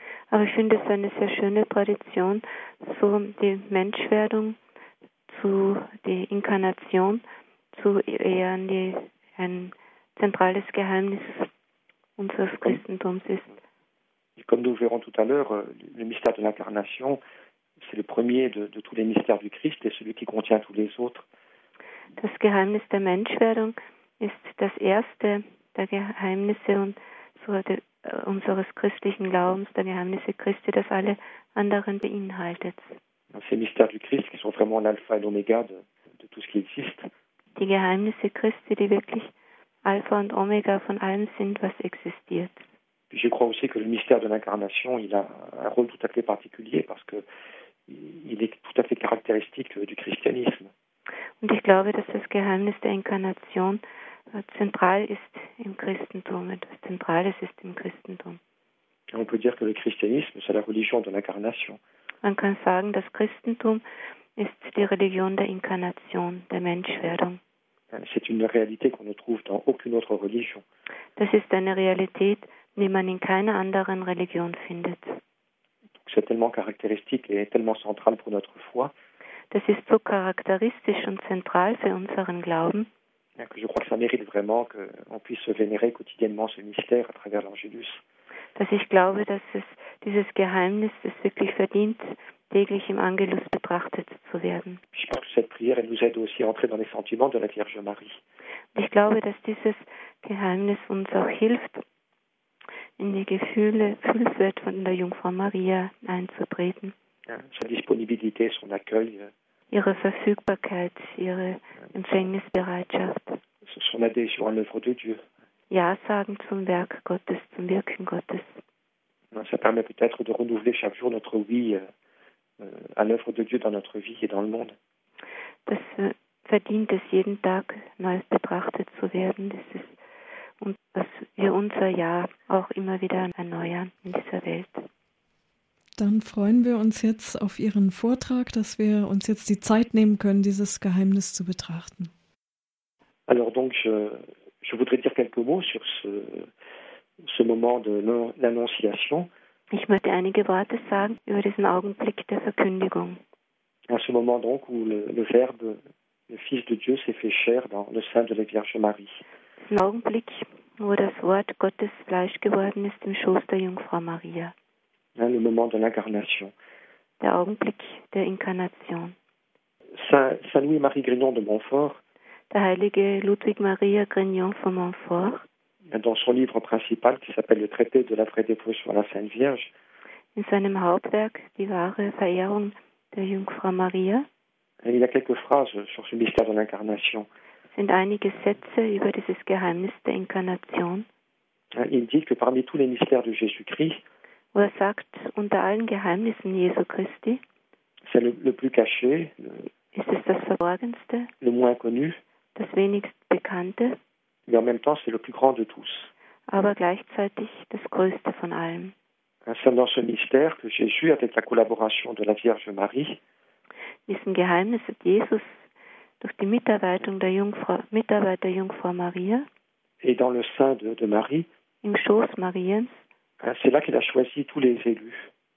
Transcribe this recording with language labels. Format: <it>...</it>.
<de>Aber ich finde es eine sehr schöne Tradition, so die Menschwerdung, zu die Inkarnation, zu ehren, die ein zentrales Geheimnis unseres Christentums ist.</de> <fr>Et comme nous verrons tout à l'heure, le mystère de l'incarnation, c'est le premier de tous les mystères du Christ et celui qui contient tous les autres.</fr> <de>Das Geheimnis der Menschwerdung ist das erste der Geheimnisse und so unseres christlichen Glaubens, der Geheimnisse Christi, das alle anderen beinhaltet.</de> <fr>Ces mystères du Christ qui sont vraiment l'alpha et l'oméga de tout ce qui existe.</fr> <de>Die Geheimnisse Christi, die wirklich Alpha und Omega von allem sind, was existiert.</de> <fr>Puis je crois aussi que le mystère de l'incarnation, il a un rôle tout à fait particulier parce que il est tout à fait caractéristique du christianisme.</fr> <de>Und ich glaube, dass das Geheimnis der Inkarnation zentral ist im Christentum und das Zentrale ist im Christentum.</de> <fr>Et on peut dire que le christianisme, c'est la religion de l'incarnation.</fr> <de>Man kann sagen, das Christentum ist die Religion der Inkarnation, der Menschwerdung.</de> <fr>C'est une réalité qu'on ne trouve dans aucune autre religion.</fr> <de>Das ist eine Realität, die man in keiner anderen Religion findet.</de> <fr>C'est tellement caractéristique et tellement central pour notre foi.</fr> <de>Das ist so charakteristisch und zentral für unseren Glauben.</de> <fr>Je crois que ça mérite vraiment qu'on puisse vénérer quotidiennement ce mystère à travers l'Angelus.</fr> <de>Dass ich glaube, dass es dieses Geheimnis es wirklich verdient, täglich im Angelus betrachtet zu werden.</de> <fr>Je pense que cette prière nous aide aussi à entrer dans les sentiments de la Vierge Marie.</fr> <de>Ich glaube, dass dieses Geheimnis uns auch hilft, in die Gefühlswelt von der Jungfrau Maria einzutreten.</de> <fr>Sa disponibilité, son accueil.</fr> <de>Ihre Verfügbarkeit, ihre Empfängnisbereitschaft.</de> <fr>Son adhésion à l'œuvre de Dieu.</fr> <de>Ja sagen zum Werk Gottes, zum Wirken Gottes.</de> <fr>Ça permet peut-être de renouveler chaque jour notre oui à l'œuvre de Dieu dans notre vie et dans le monde.</fr> <de>Das verdient es, jeden Tag neu betrachtet zu werden. Das ist, und dass wir unser Ja auch immer wieder erneuern in dieser Welt. Dann freuen wir uns jetzt auf Ihren Vortrag, dass wir uns jetzt die Zeit nehmen können, dieses Geheimnis zu betrachten.</de> <fr>Alors donc, je voudrais dire quelques mots sur ce moment de l'Annonciation.</fr> <de>Ich möchte einige Worte sagen über diesen Augenblick der Verkündigung.</de> <fr>À ce moment donc où le Verbe, le Fils de Dieu s'est fait chair dans le sein de la Vierge Marie.</fr> <de>Diesen Augenblick, wo das Wort Gottes Fleisch geworden ist im Schoß der Jungfrau Maria.</de> <fr>Hein, le moment de l'incarnation.</fr> <de>Der Augenblick der Inkarnation.</de> <fr>Saint Louis-Marie Grignon de Montfort.</fr> <de>Der heilige Ludwig Maria Grignon von Montfort.</de> <fr>Dans son livre principal qui s'appelle Le Traité de la vraie dévotion à la Sainte Vierge.</fr> <de>In seinem Hauptwerk Die wahre Verehrung der Jungfrau Maria.</de> <fr>Il y a quelques phrases sur ce mystère de l'incarnation.</fr> <de>Sind einige Sätze über dieses Geheimnis der Inkarnation.</de> <fr>Il dit que parmi tous les mystères de Jésus-Christ.</fr> <de>Wo er sagt, unter allen Geheimnissen Jesu Christi.</de> <fr>C'est le plus caché.</fr> <de>Ist es das Verborgenste?</de> <fr>Le moins connu.</fr> <de>Das wenigst Bekannte.</de> <fr>Mais en même temps, c'est le plus grand de tous.</fr> <de>Aber gleichzeitig das Größte von allem.</de> <fr>C'est dans ce mystère que Jésus, avec la collaboration de la Vierge Marie,</fr> <de>diesen Geheimnis hat Jesus durch die Mitarbeit der Jungfrau Maria,</de> <fr>et dans le sein de Marie,</fr> <de>im Schoß Mariens,</de> <fr>c'est là qu'il a choisi tous les élus.</fr>